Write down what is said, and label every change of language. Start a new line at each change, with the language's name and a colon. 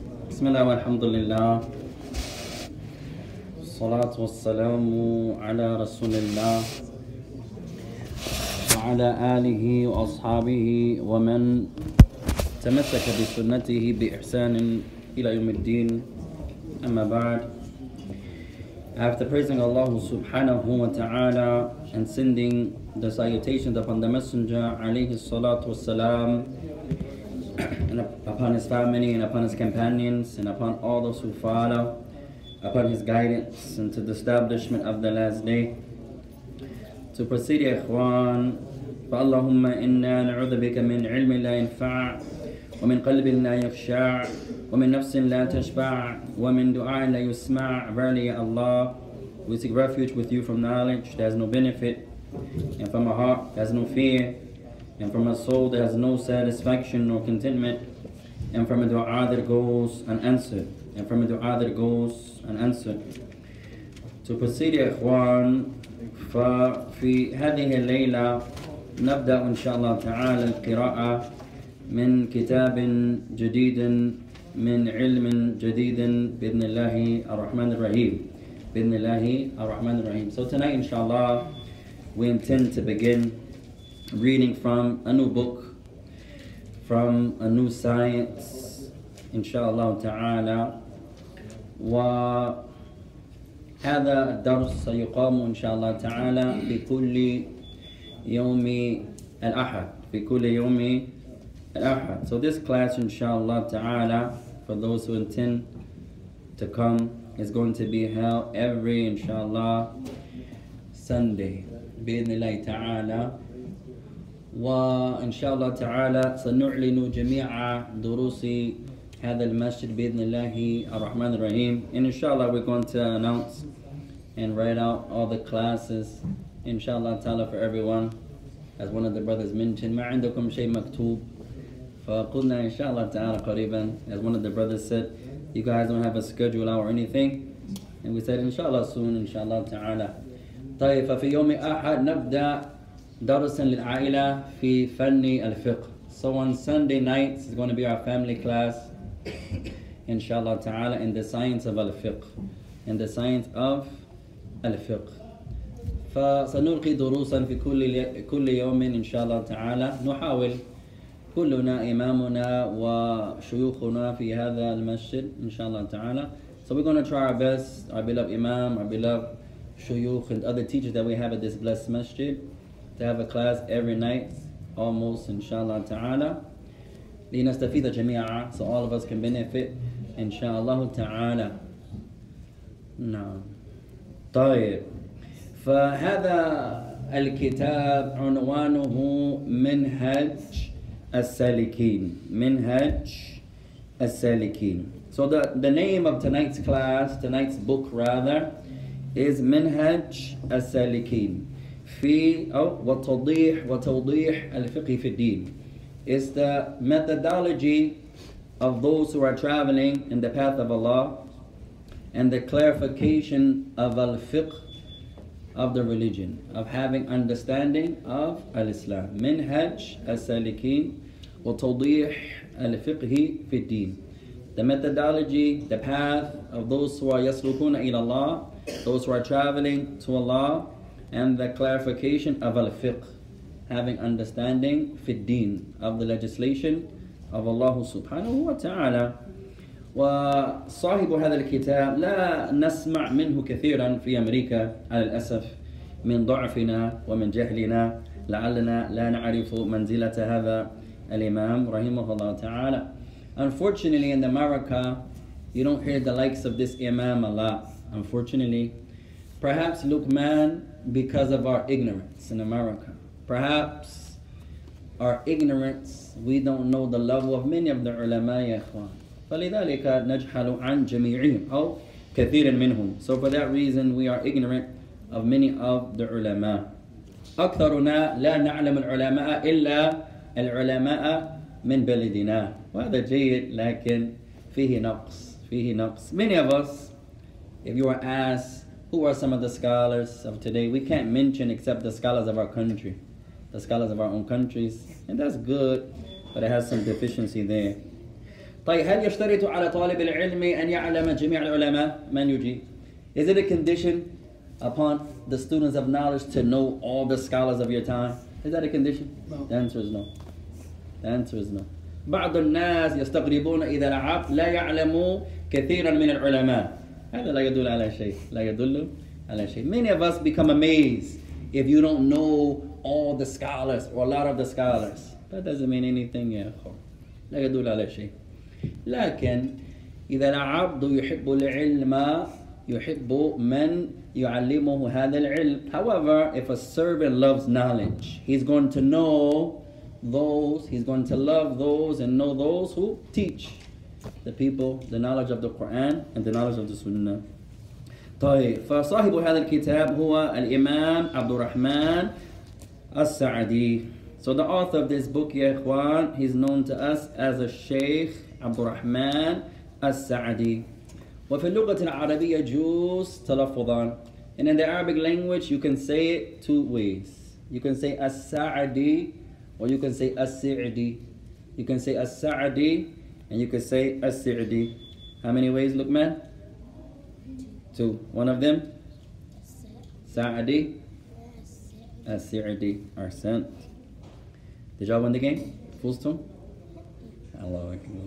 Arabic: بسم الله والحمد لله الصلاة والسلام على رسول الله وعلى آله وأصحابه ومن تمسك بسنته بإحسان إلى يوم الدين أما بعد.
English: After praising Allah subhanahu wa ta'ala and sending the salutations upon the Messenger alayhi salatu wasalam, and upon his family and upon his companions and upon all those who follow, upon his guidance and to the establishment of the last day. To proceed,
Arabic: ya ikhwan, فَاللَّهُمَّ إِنَّا نَعُوذُ بِكَ مِنْ عِلْمٍ لَا يَنْفَعُ وَمِنْ قَلْبٍ لَا يَخْشَعُ وَمِنْ نَفْسٍ لَا تَشْبَعُ وَمِنْ دُعَاءٍ لَا يُسْمَعُ.
English: Verily, ya Allah, we seek refuge with you from knowledge that has no benefit, and from a heart that has no fear, and from a soul that has no satisfaction nor contentment, and from a dua that goes unanswered, and from a dua that goes unanswered. To proceed,
Arabic: ya ikhwan, ففي هذه الليلة نبدأ إن شاء الله تعالى القراءة من كتاب جديد من علم جديد بإذن الله الرحمن الرحيم بإذن الله الرحمن الرحيم.
English: So tonight, inshallah, we intend to begin reading from a new book, from a new science, inshallah ta'ala.
Arabic: وهذا الدرس سيقام إن شاء الله تعالى بكل يوم الأحد بكل يوم الأحد.
English: So this class, inshallah ta'ala, for those who intend to come, is going to be held every inshallah Sunday
Arabic: بإذن الله تعالى. وإن شاء الله تعالى سنعلن جميع دروس هذا المسجد بإذن الله الرحمن الرحيم.
English: And inshallah we're going to announce and write out all the classes inshallah تعالى for everyone. As one of the brothers mentioned,
Arabic: ما عندكم شيء مكتوب فقلنا إن شاء الله تعالى قريبا.
English: As one of the brothers said, you guys don't have a schedule or anything, and we said
Arabic: إن شاء الله
English: soon,
Arabic: إن شاء الله تعالى. طيب ففي يوم أحد نبدأ درس للعائلة في فن الفقه.
English: So on Sunday nights is going to be our family class, inshallah ta'ala, in the science of al-fiqh. In the science of al-fiqh.
Arabic: فسنلقي دروسا في كل يوم inshallah ta'ala. نحاول كلنا إمامنا وشيوخنا في هذا المسجد inshallah ta'ala.
English: So we're going to try our best, our beloved Imam, our beloved shuyukh, and other teachers that we have at this blessed masjid, to have a class every night, almost, inshallah ta'ala.
Arabic: لنستفيد جميعا,
English: so all of us can benefit, inshallah ta'ala.
Arabic: نعم. طيب. فهذا الكتاب عنوانه منهج السالكين. منهج السالكين.
English: So the name of tonight's class, tonight's book rather, is منهج السالكين.
Arabic: في أو وتوضيح وتوضيح الفقه في الدين.
English: It's the methodology of those who are traveling in the path of Allah and the clarification of al-fiqh of the religion, of having understanding of al-Islam.
Arabic: منهج السالكين وتوضيح الفقه في الدين.
English: The methodology, the path of those who are
Arabic: يسلكون إلى الله,
English: those who are traveling to Allah, and the clarification of al-fiqh, having understanding fi al-deen, of the legislation of Allah subhanahu wa ta'ala.
Arabic: وصاحب هذا الكتاب لا نسمع منه كثيرا في أمريكا على الأسف من ضعفنا ومن جهلنا لعلنا لا نعرف منزلة هذا الإمام رحمه الله تعالى.
English: Unfortunately, in America, you don't hear the likes of this Imam a lot. Unfortunately, perhaps Luqman, because of our ignorance in America. Perhaps our ignorance, we don't know the level of many of the ulama, ya ikhwan.
Arabic: فَلِذَلِكَ نَجْحَلُ عَنْ جَمِيعِهِمْ أَوْ كَثِيرٍ مِّنْهُمْ.
English: So for that reason, we are ignorant of many of the ulama.
Arabic: أَكْثَرُنَا لَا نَعْلَمُ الْعُلَمَاءَ إِلَّا الْعُلَمَاءَ مِّنْ بَلِدِنَا. وَهَذَا جَيِّد لَكِنْ فِيهِ نَقْص.
English: Many of us, if you are asked, who are some of the scholars of today? We can't mention except the scholars of our country, the scholars of our own countries, and that's good, but it has some deficiency there.
Arabic: طيب هل يشترط على طالب العلم أن يعلم جميع العلماء؟ من يجيب؟
English: Is it a condition upon the students of knowledge to know all the scholars of your time? Is that a condition? No. The answer is no. The answer is no.
Arabic: بعض الناس يستغربون إذا لعب لا يعلموا كثيرا من العلماء. هذا لا يدل على شيء. لا يدل على شيء.
English: Many of us become amazed if you don't know all the scholars or a lot of the scholars. That doesn't mean anything, يا أخو.
Arabic: لا يدل على شيء. لكن إذا العبد يحب العلم يحب من يعلمه هذا العلم.
English: However, if a servant loves knowledge, he's going to know those, he's going to love those and know those who teach the people the knowledge of the Quran and the knowledge of the Sunnah.
Arabic: طيب فصاحب هذا الكتاب هو الإمام عبد الرحمن السعدي.
English: So the author of this book, يا إخوان, he's known to us as a Sheikh عبد الرحمن السعدي.
Arabic: وفي اللغة العربية جوز تلفظان.
English: And in the Arabic language, you can say it two ways. You can say السعدي, or you can say السعدي. You can say السعدي, and you can say السعدي. How many ways, Luqman? Two. Two. One of them? سعدي. السعدي. أحسنت. Did y'all win the game? Fool's turn? Hello.